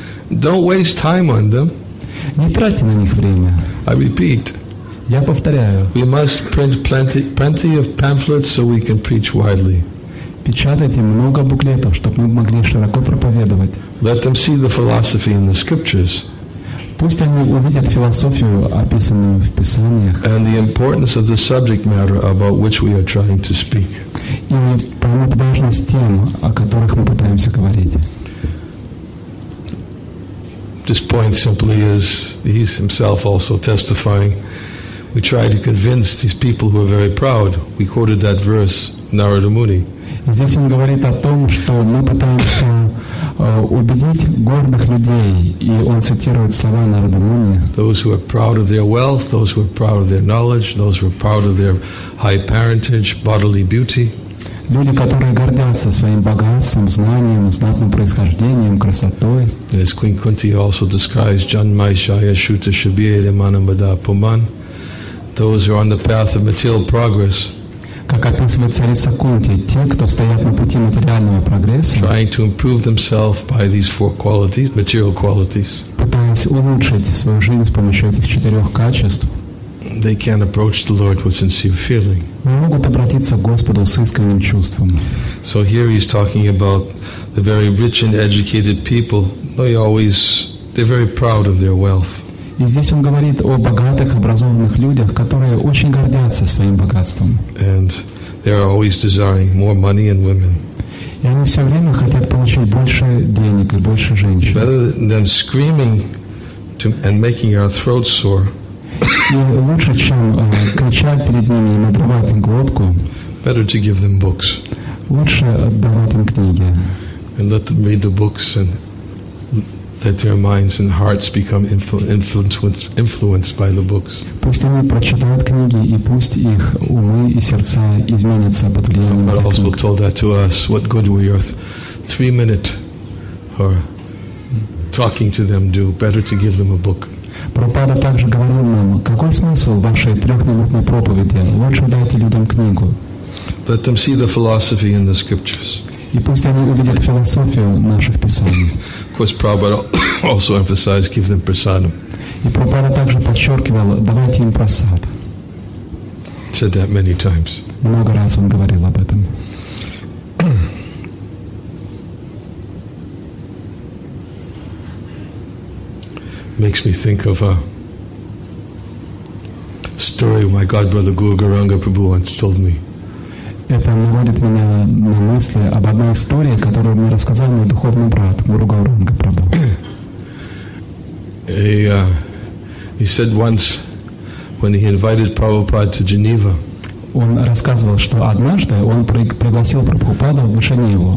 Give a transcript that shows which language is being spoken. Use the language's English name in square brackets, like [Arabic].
[English] Don't waste time on them. [Russian] Не трать на них время. [English] I repeat. [Russian] Я повторяю. [English] We must print plenty of pamphlets so we can preach widely. [Russian] Печатайте много буклетов, чтобы мы могли широко проповедовать. [English] Let them see the philosophy in the scriptures. [Russian] Пусть они увидят философию, описанную в Писаниях. [English] And the importance of the subject matter about which we are trying to speak. [Russian] И поймут важность тем, о которых мы пытаемся говорить. [English] This point simply is, he's himself also testifying. We try to convince these people who are very proud. We quoted that verse, Narada Muni. [Russian] Здесь он говорит о том, что мы пытаемся убедить гордых людей, и он цитирует слова Нарада Муни. [English] Those who are proud of their wealth, those who are proud of their knowledge, those who are proud of their high parentage, bodily beauty. [Russian] Люди, которые гордятся своим богатством, знанием, знатным происхождением, красотой. [English] As Queen Kunti also describes, [Sanskrit] Janmai Shaya Shuta Shabir Imanamada Puman, [English] those who are on the path of material progress. [Russian] Как описывает царица Кунти, те, кто стоят на пути материального прогресса, [English] trying to improve themselves by these four qualities, material qualities, [Russian] пытаясь улучшить свою жизнь с помощью этих четырех качеств, [English] they can't approach the Lord with sincere feeling. [Russian] Не могут обратиться к Господу с искренним чувством. [English] So here he's talking about the very rich and educated people. They're very proud of their wealth. [Russian] И здесь он говорит о богатых, образованных людях, которые очень гордятся своим богатством. [English] And they are always desiring more money and women. [Russian] И они все время хотят получить больше денег и больше женщин. [English] Better than screaming and making our throats sore. [Russian] И лучше, чем кричать перед ними и надрывать им глотку. [English] Better to give them books. [Russian] Лучше отдавать им книги. [English] And let them read the books and that their minds and hearts become influenced by the books. [Russian] Пусть они прочитают книги, и пусть их умы и сердца изменятся под влиянием этих книг. [English] But also told that to us, what good will your 3-minute or talking to them do? Better to give them a book. [Russian] Пропада также говорил нам, какой смысл вашей 3-минутной проповеди? Лучше дайте людям книгу. [English] Let them see the philosophy in the scriptures. [Russian] И пусть они увидят философию наших писаний. [English] Of course, Prabhupada also emphasized, give them prasadam. [Russian] И Прабхупада также подчеркивал, давайте им прасад. [English] Said that many times. [Russian] Много раз он говорил об этом. [English] Makes me think of a story my godbrother Guru Gauranga Prabhu once told me. [Russian] Это наводит меня на мысли об одной истории, которую мне рассказал мой духовный брат Гуру Гауранга Прабху. [English] He said once, when he invited Prabhupada to Geneva, [Russian] он рассказывал, что однажды он пригласил Прабхупаду в Женеву.